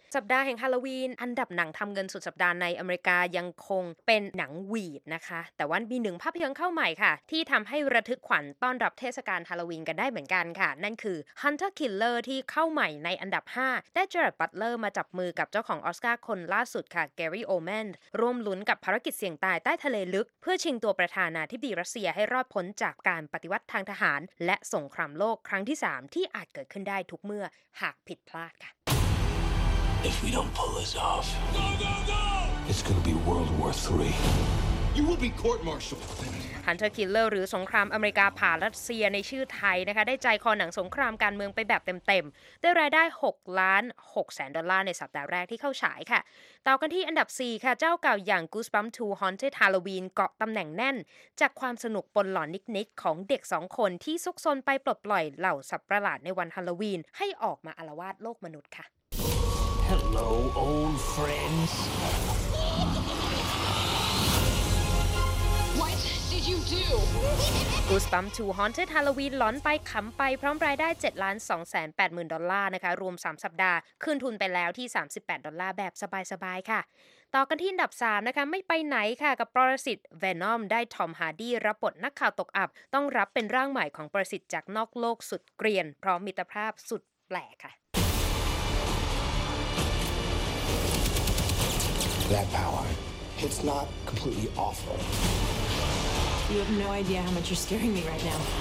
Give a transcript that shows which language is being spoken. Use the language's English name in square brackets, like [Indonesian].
[Thai] สัปดาห์แห่งฮาโลวีนอันดับหนังทำเงินสุดสัปดาห์ในอเมริกายังคงเป็นหนังหวีดนะคะแต่ว่ามีหนึ่งภาพยนตร์เข้าใหม่ค่ะที่ทำให้ระทึกขวัญต้อนรับเทศกาลฮาโลวีนกันได้เหมือนกันค่ะนั่นคือ Hunter Killer ที่เข้าใหม่ในอันดับ5ได้เจอร์ดบัตเลอร์มาจับมือกับเจ้าของออสการ์คนล่าสุดค่ะแกรี่โอแมนร่วมลุ้นกับภารกิจเสี่ยงตายใต้ทะเลลึกเพื่อชิงตัวประธานาธิบดีรัสเซียให้รอดพ้นจากการปฏิวัติทางทหารและสงครามโลกครั้งที่3ที่อาจเกิดขึ้นได้ทุกเมื่อหากผิดพลาดค่ะ [English] If we don't pull this off, go. It's gonna be World War III. You will be court-martialed. [Thai] Hunter Killer หรือสงครามอเมริกาผ่ารัสเซียในชื่อไทยนะคะได้ใจคอหนังสงครามการเมืองไปแบบเต็มๆได้รายได้6ล้าน6แสนดอลลาร์ในสัปดาห์แรกที่เข้าฉายค่ะต่อกันที่อันดับ4ค่ะเจ้าเก่าอย่าง Goosebumps 2 Haunted Halloween เกาะตำแหน่งแน่นจากความสนุกปนหลอนนิดๆของเด็ก2คนที่ซุกซนไปปลดปล่อยเหล่าสัตว์ประหลาดในวันฮาโลวีนให้ออกมาอาละวาดโลกมนุษย์ค่ะ [English] Hello, old friends. What did you do? [Thai] Goosebumps 2 Haunted Halloween หลอนไปขำไปพร้อมรายได้7ล้าน2แสน80,000ดอลลาร์นะคะรวม3สัปดาห์ขึ้นทุนไปแล้วที่38ดอลลาร์แบบสบายๆค่ะต่อกันที่อันดับ3นะคะไม่ไปไหนค่ะกับปรสิต Venom ได้ทอมฮาร์ดีรับบทนักข่าวตกอับต้องรับเป็นร่างใหม่ของปรสิตจากนอกโลกสุดเกรียนพร้อมมิตรภาพสุดแปลกค่ะ [English] That power, it's not completely awful. You have no idea how much you're scaring me right now.